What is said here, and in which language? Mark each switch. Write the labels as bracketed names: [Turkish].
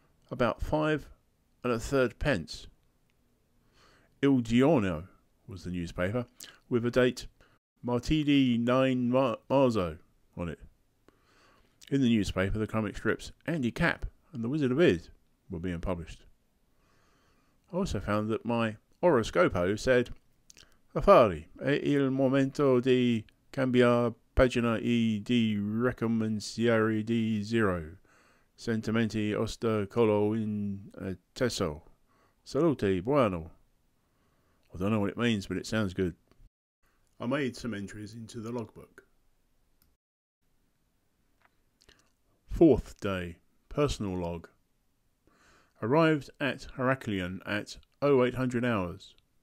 [English] About 5 1/3 pence. Il Giorno was the newspaper, with a date [Italian] Martedì 9 Marzo [English] on it. In the newspaper, the comic strips Andy Cap and The Wizard of Id were being published. I also found that my horoscopo said, [Italian] Affari, è il momento di cambiare pagina e di recommenciare di zero. Sentimenti osta colo in teso. Salute, buono. [English] I don't know what it means, but it sounds good. I made some entries into the logbook. Fourth day, personal log. Arrived at Heraklion at 0800 hours.